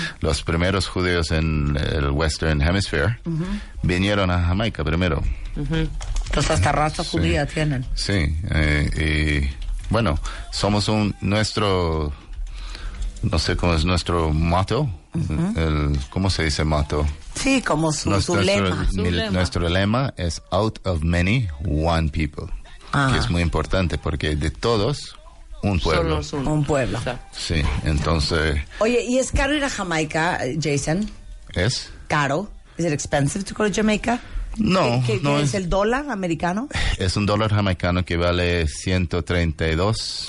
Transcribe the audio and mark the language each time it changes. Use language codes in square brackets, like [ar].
[es] Los primeros judíos en el Western Hemisphere, uh-huh, vinieron a Jamaica primero. Entonces, uh-huh, hasta raza judía, sí, tienen. Sí, y bueno, somos no sé cómo es nuestro motto. Uh-huh. ¿Cómo se dice motto? Sí, como su lema. Nuestro lema es [en] out of many, one people. Ah. [es] Que es muy importante porque de todos, un pueblo. Solo un pueblo. O sea. Sí, entonces... Oye, ¿y es caro ir a Jamaica, Jason? ¿Es? ¿Caro? ¿Es [en] it expensive to go to Jamaica? [es] No. ¿Qué es el dólar americano? Es un dólar jamaicano que vale 132.